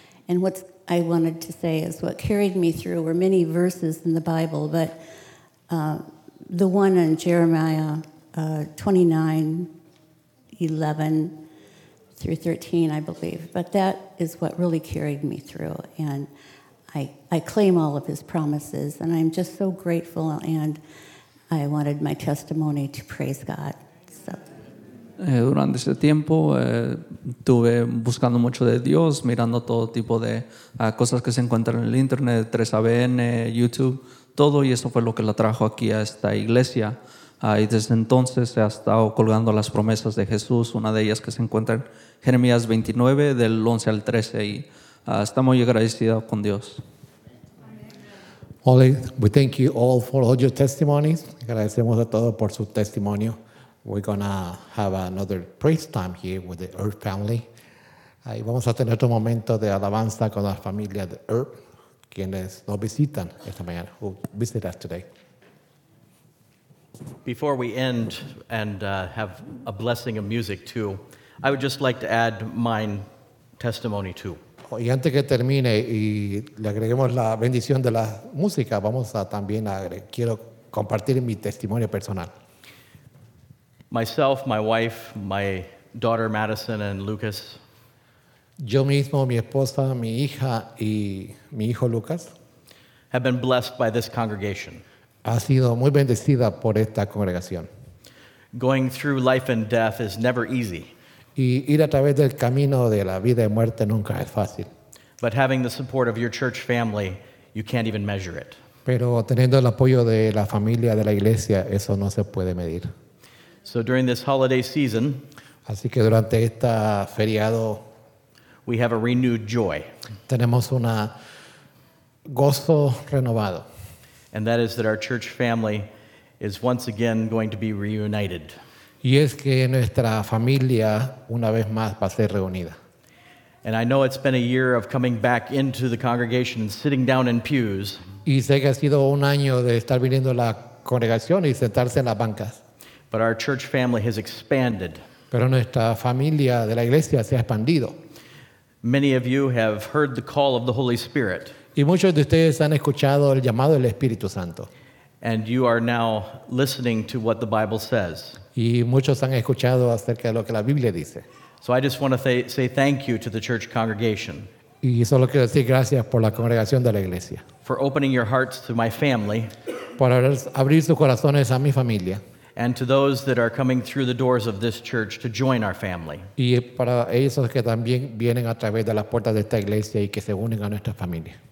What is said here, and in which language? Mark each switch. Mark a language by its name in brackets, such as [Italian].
[English] And what I wanted to say is what carried me through were many verses in the Bible, but the one in Jeremiah 29:11-13, I believe. But that is what really carried me through. And I claim all of his promises, and I'm just so grateful, and I wanted my testimony to praise God. [Spanish] Durante ese tiempo estuve buscando mucho de Dios, mirando todo tipo de cosas que se encuentran en el internet, 3ABN, YouTube, todo, y eso fue lo que la trajo aquí a esta iglesia. Y desde entonces se ha estado colgando las promesas de Jesús, una de ellas que se encuentra en Jeremías 29, del 11 al 13, y está muy agradecido con Dios. [English] Holly, we thank you all for all your testimonies. [Spanish] Agradecemos a todos por su testimonio. [English] We're going to have another praise time here with the Earp family. [Spanish] Ahí vamos a tener otro momento de alabanza con la familia de Earp, quienes nos visitan esta mañana, [English] who visit us today. Before we end and have a blessing of music too, I would just like to add my testimony too. [Spanish] Y antes que termine y le agreguemos la bendición de la música, vamos a también quiero compartir mi testimonio personal. [English] Myself, my wife, my daughter Madison, and Lucas. [Spanish] Yo mismo, mi esposa, mi hija y mi hijo Lucas. [English] Have been blessed by this congregation. [Spanish] Ha sido muy bendecida por esta congregación. [English] Going through life and death is never easy. [Spanish] Y ir a través del camino de la vida y muerte nunca es fácil. [English] But having the support of your church family, you can't even measure it. [Spanish] Pero teniendo el apoyo de la familia de la iglesia, eso no se puede medir. [English] So during this holiday season, [Spanish] así que durante esta feriado, [English] we have a renewed joy. [Spanish] Tenemos una gozo renovado. [English] And that is that our church family is once again going to be reunited. [Spanish] Y es que nuestra familia una vez más va a ser reunida. [English] And I know it's been a year of coming back into the congregation and sitting down in pews. [Spanish] Y sé que ha sido un año de estar viniendo a la congregación y sentarse en las bancas. [English] But our church family has expanded. [Spanish] Pero nuestra familia de la iglesia se ha expandido. [English] Many of you have heard the call of the Holy Spirit. [Spanish] Y muchos de ustedes han escuchado el llamado del Espíritu Santo. [English] And you are now listening to what the Bible says. [Spanish] Y muchos han escuchado acerca de lo que la Biblia dice. [English] So I just want to say thank you to the church congregation. [Spanish] Y solo quiero decir gracias por la congregación de la iglesia. [English] For opening your hearts to my family. [Spanish] Por abrir sus corazones a mi familia. [English] And to those that are coming through the doors of this church to join our family. [Spanish] Y para esos que también vienen a través de las puertas de esta iglesia y que se unen a nuestra familia.